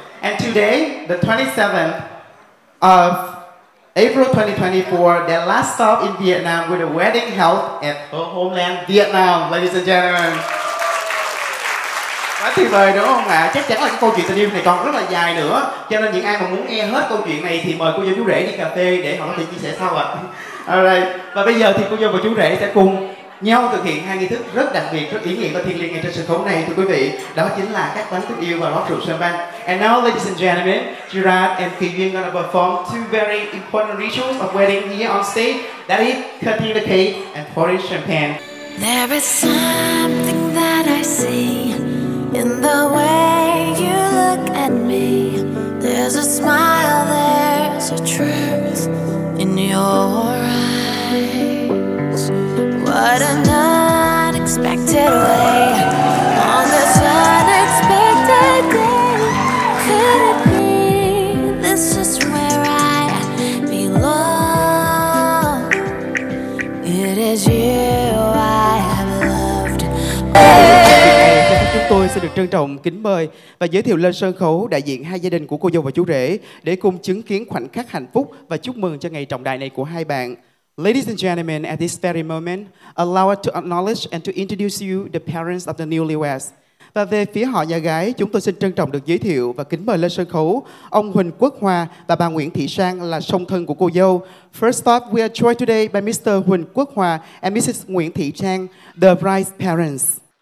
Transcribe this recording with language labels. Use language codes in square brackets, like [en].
[en] And today, the 27th of April 2024, their last stop in Vietnam with a wedding held at her homeland, Vietnam, ladies and gentlemen. [vi] Quá tuyệt vời đúng không ạ? Chắc chắn là cái câu chuyện tình yêu này còn rất là dài nữa. Cho nên những ai mà muốn nghe hết câu chuyện này thì mời cô dâu chú rể đi cà phê để họ có thể chia sẻ sau ạ. Alright. Và bây giờ thì cô dâu và chú rể sẽ cùng nhau thực hiện hai nghi thức rất đặc biệt, rất ý nghĩa và thiêng liêng ngay trên sân khấu này thưa quý vị. Đó chính là các bánh tình yêu và rót rượu champagne. [en] And now ladies and gentlemen, Gerard and Kỳ Duyên gonna perform two very important rituals of wedding here on stage. That is cutting the cake and pouring champagne. There is something that I see in the way you look at me. There's a smile, there's a truth in your eyes. What an unexpected way. On this unexpected day, could it be this is where I belong? It is you I have loved. [vi] Chúng tôi sẽ được trân trọng kính mời và giới thiệu lên sân khấu đại diện hai gia đình của cô dâu và chú rể để cùng chứng kiến khoảnh khắc hạnh phúc và chúc mừng cho ngày trọng đại này của hai bạn. [en] Ladies and gentlemen, at this very moment, allow us to acknowledge and to introduce you the parents of the newlyweds. [vi] Và về phía họ nhà gái, chúng tôi xin trân trọng được giới thiệu và kính mời lên sân khấu ông Huỳnh Quốc Hoa và bà Nguyễn Thị Sang là song thân của cô dâu. [en] First off, we are joined today by Mr. Huỳnh Quốc Hoa and Mrs. Nguyễn Thị Sang, the bride's parents.